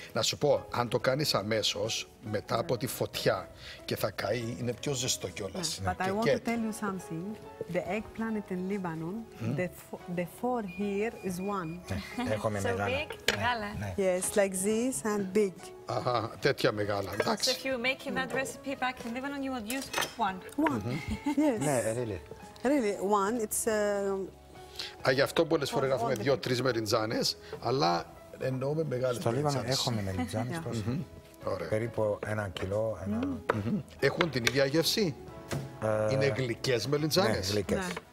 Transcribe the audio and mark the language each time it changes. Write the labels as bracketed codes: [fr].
[el] Να σου πω, αν το κάνεις αμέσως, μετά από τη φωτιά και θα καεί, είναι πιο ζεστό κιόλας. [en] Yeah, but I want to tell you something. The eggplant in Lebanon, the four here is one. [el] Έχουμε [en] so [el] μεγάλα. [en] So big, μεγάλα. Yes, like this and big. [el] Αχα, τέτοια μεγάλα, εντάξει. [en] So if you're making that recipe back in Lebanon, you would use one. One, yes. [el] Ναι, really. [en] Really, one, it's... [el] Α, γι' αυτό πολλές φορές γράφουμε δύο-τρεις μελιτζάνες, αλλά... Εννοούμε μεγάλες μελιτζάνες. Στο Λίβανο έχουμε μελιτζάνες τόσο. Περίπου ένα κιλό. Ένα... Έχουν την ίδια γεύση. Είναι γλυκές μελιτζάνες. Ναι, γλυκές.